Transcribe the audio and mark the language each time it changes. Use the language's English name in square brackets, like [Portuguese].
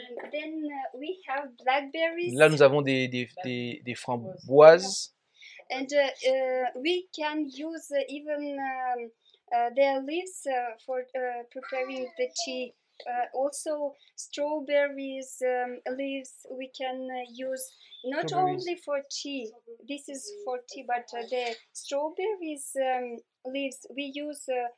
[English] Then we have blackberries. [French] Là, nous avons des framboises. [English] And we can use even their leaves for preparing the tea. Also, strawberries leaves we can use not only for tea. This is for tea, but the strawberries leaves we use.